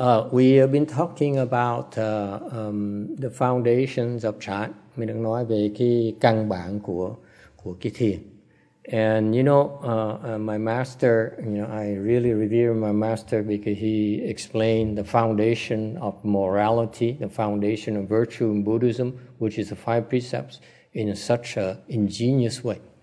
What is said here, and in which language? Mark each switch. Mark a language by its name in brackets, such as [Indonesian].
[English] We have been talking about the foundations of chan. [Vietnamese] Mình đang nói về cái căn bản của cái thiền. [English] And you know, my master, you know, I really revere my master because he explained the foundation of morality, the foundation of virtue in Buddhism, which is the five precepts, in such an ingenious way.